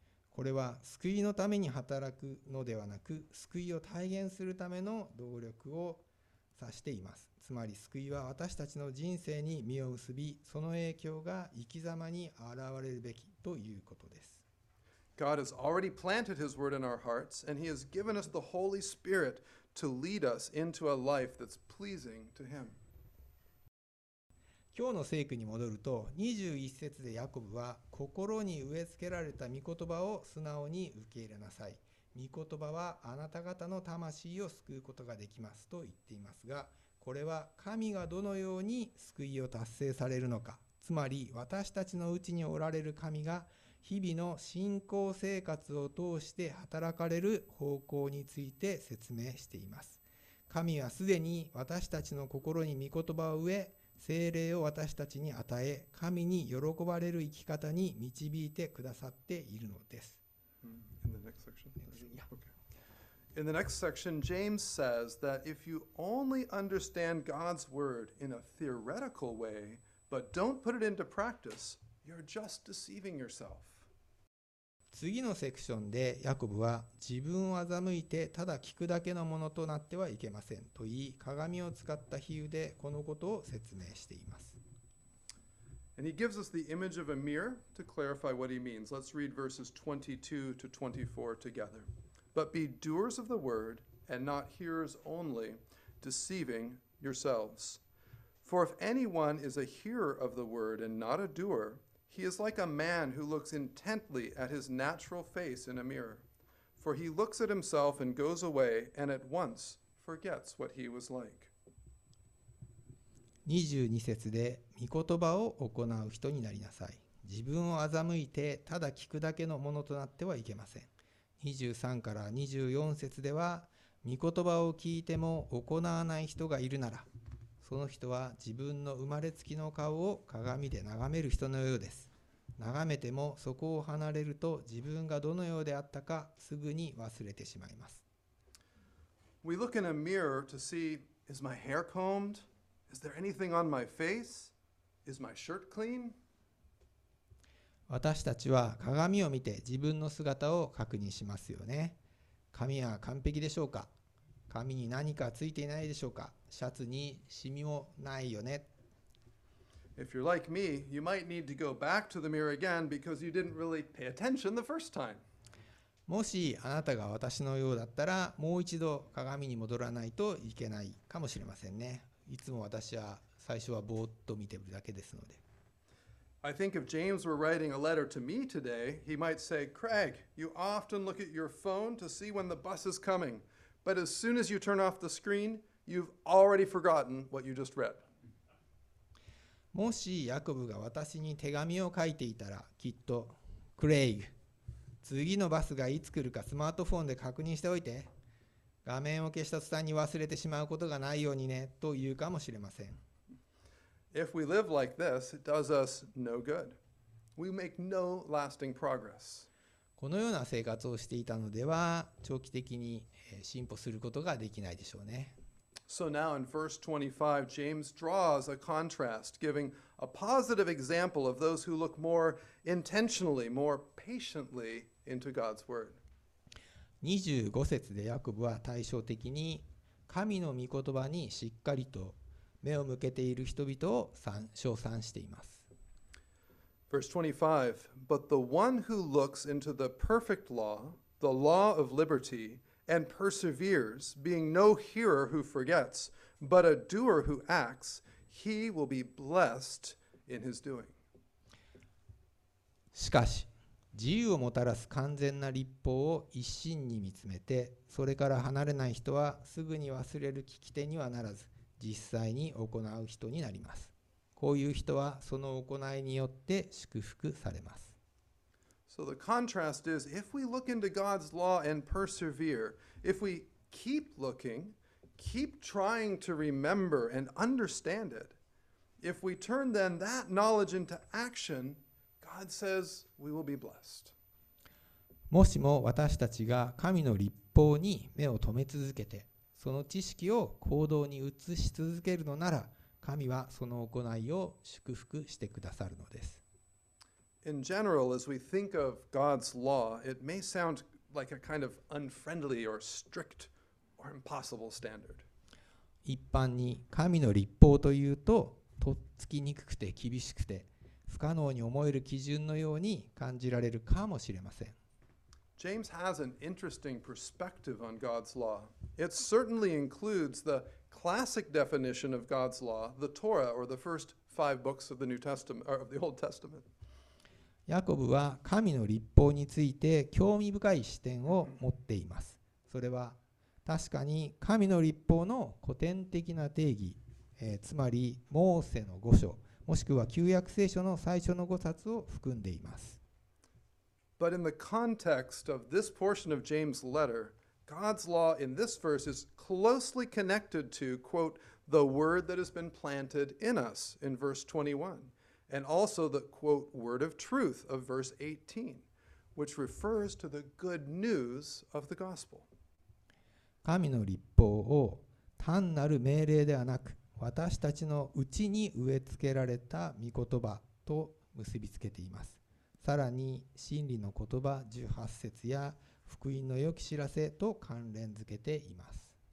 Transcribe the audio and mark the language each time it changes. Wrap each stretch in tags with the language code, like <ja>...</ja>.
<ja>これは救いのために働くのではなく、救いを体現するための動力を指しています。つまり救いは私たちの人生に身を結び、その影響が生き様に現れるべきということです。</ja> <en>God has already planted His word in our hearts, and He has given us the Holy Spirit to lead us into a life that's pleasing to Him.</en> <ja>今日の聖句に戻ると、21節でヤコブは、心に植え付けられた御言葉を素直に受け入れなさい。御言葉はあなた方の魂を救うことができますと言っていますが、これは神がどのように救いを達成されるのか、つまり私たちのうちにおられる神が日々の信仰生活を通して働かれる方向について説明しています。神はすでに私たちの心に御言葉を植え、聖霊を私たちに与え、神に喜ばれる生き方に導いてくださっているのです。</ja> <en>In the next section. In the next section, James says that if you only understand God's word in a theoretical way, but don't put it into practice, you're just deceiving yourself.</en> <ja>次のセクションでヤコブは、自分を欺いてただ聞くだけのものとなってはいけませんと言い、鏡を使った比喩でこのことを説明しています。</ja> <en>And he gives us the image of a mirror to clarify what he means. Let's read verses 22 to 24 together. But be doers of the word, and not hearers only, deceiving yourselves. For if anyone is a hearer of the word and not a doer, he is like a man who looks intently at his natural face in a mirror. For he looks at himself and goes away, and at once forgets what he was like.</en> <ja>22節で、御言葉を行う人になりなさい。自分を欺いて、ただ聞くだけのものとなってはいけません。 23から24節では、御言葉を聞いても行わない人がいるなら、その人は自分の生まれつきの顔を鏡で眺める人のようです。眺めてもそこを離れると自分がどのようであったかすぐに忘れてしまいます。</ja> <en>We look in a mirror to see, is my hair combed? Is there anything on my face? Is my shirt clean?</en> <ja>私たちは鏡を見て自分の姿を確認しますよね。神は完璧でしょうか。髪に何かついていないでしょうか。シャツにシミもないよね。</ja> <en>If you're like me, you might need to go back to the mirror again because you didn't really pay attention the first time.</en> <ja>もしあなたが私のようだったら、もう一度鏡に戻らないといけないかもしれませんね。いつも私は最初はぼーっと見てるだけですので。</ja> <en>I think if James were writing a letter to me today, he might say, Craig, you often look at your phone to see when the bus is coming, but as soon as you turn off the screen, you've already forgotten what you just read.</en> <ja>もしヤコブが私に手紙を書いていたら、きっと、クレイグ、次のバスがいつ来るかスマートフォンで確認しておいて、画面を消した途端に忘れてしまうことがないようにね、と言うかもしれません。</ja> <en>If we live like this, it does us no good. We make no lasting progress.</en> <ja>このような生活をしていたのでは、長期的に進歩することができないでしょうね。</ja> <en>So now in verse 25, James draws a contrast, giving a positive example of those who look more intentionally, more patiently into God's word.</en> <ja>25節でヤコブは対照的に神の御言葉にしっかりと目を向けている人々を称賛しています。</ja> <en>Verse 25, but the one who looks into the perfect law, the law of libertyAnd perseveres, being no hearer who forgets, but a doer who acts, he will be blessed in his doing.</en> <ja>しかし、自由をもたらす完全な律法を一心に見つめて、それから離れない人はすぐに忘れる聞き手にはならず、実際に行う人になります。こういう人はその行いによって祝福されます。</ja> <en>So the contrast is, if we look into God's law and persevere, if we keep looking, keep trying to remember and understand it, if we turn then that knowledge into action, God says we will be blessed.</en> <ja>もしも私たちが神の律法に目を留め続けて、その知識を行動に移し続けるのなら、神はその行いを祝福してくださるのです。</ja> <en>In general, as we think of God's law, it may sound like a kind of unfriendly or strict or impossible standard.</en> <ja>一般に神の律法というと、とっつきにくくて厳しくて不可能に思える基準のように感じられるかもしれません。</ja> <en>James has an interesting perspective on God's law. It certainly includes the classic definition of God's law, the Torah, or the first five books of the New Testament, or of the Old Testament.</en> <ja>ヤコブは神の律法について興味深い視点を持っています。それは確かに神の律法の古典的な定義、つまりモーセの五書、もしくは旧約聖書の最初の五冊を含んでいます。</ja> <en>But in the context of this portion of James' letter, God's law in this verse is closely connected to, quote, the word that has been planted in us in verse 21. And also the quote word of truth of verse 18, which refers to the good news of the gospel.</en> <ja>神の律法を単なる命令ではなく、私たちのうちに植え付けられた御言葉と結びつけています。さらに真理の言葉18節や福音の良き知らせと関連付けています。</ja>